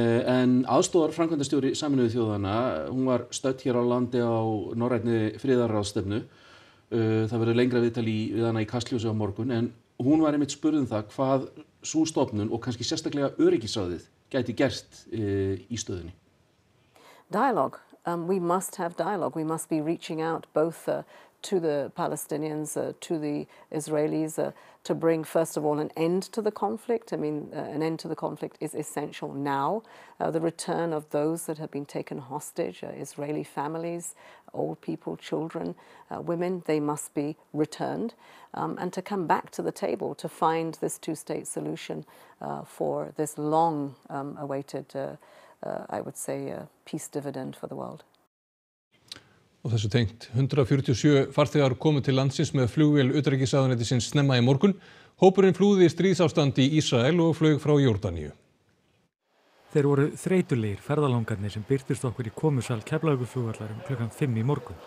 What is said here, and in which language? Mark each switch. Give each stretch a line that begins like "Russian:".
Icelandic: En aðstoðar framkvæmdastjóri Sameinuðu þjóðanna, hún var stödd hér á landi á norrænni friðarráðstefnu. Það verður lengra viðtal í við hana í Kastljósi á morgun, en hún var einmitt spurð það hvað sú stofnun og kannski sérstaklega öryggisráðið gæti gerst í stöðunni.
English: Dialogue. We must have dialogue. We must be reaching out both to the Palestinians, to the Israelis, to bring, first of all, an end to the conflict. I mean, an end to the conflict is essential now. The return of those that have been taken hostage, Israeli families, old people, children, women, they must be returned. And to come back to the table to find this two-state solution for this long-awaited, I would say, peace dividend for the world.
Icelandic: Og þessu tengt 147 farþegar komu til landsins með flugvél utanríkisráðuneytisins snemma í morgun. Hópurinn flúði stríðsástand í Ísrael og flaug frá Jórdaníu. Þeir voru þreytulegir ferðalangarnir sem birtust okkur í komusal Keflavíkurflugvallar klukkan 5 í morgun.